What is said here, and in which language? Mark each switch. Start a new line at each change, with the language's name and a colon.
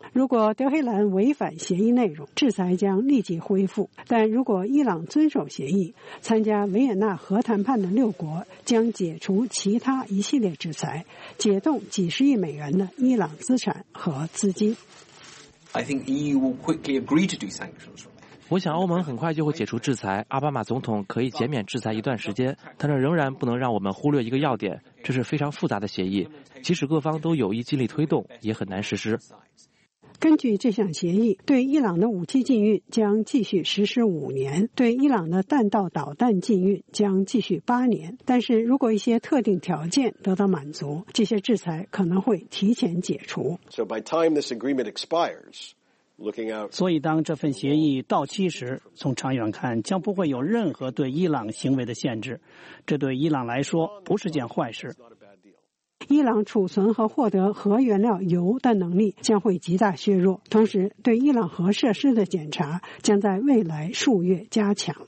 Chinese: 如果德黑兰违反协议内容，制裁将立即恢复，但如果伊朗遵守协议，参加维也纳核谈判的六国将解除其他一系列制裁，解冻几十亿美元的伊朗资产和资金。
English: I think EU will quickly agree to do sanctions.
Chinese: 我想欧盟很快就会解除制裁，奥巴马总统可以减免制裁一段时间，但这仍然不能让我们忽略一个要点，这是非常复杂的协议，即使各方都有意尽力推动，也很难实施。根据这项协议，对伊朗的武器禁运将继续实施五年，对伊朗的弹道导弹禁运将继续八年。但是如果一些特定条件得到满足，这些制裁可能会提前解除。
English: So by time this agreement expires,
Chinese: 所以当这份协议到期时，从长远看将不会有任何对伊朗行为的限制，这对伊朗来说不是件坏事。伊朗储存和获得核原料油的能力将会极大削弱，同时对伊朗核设施的检查将在未来数月加强。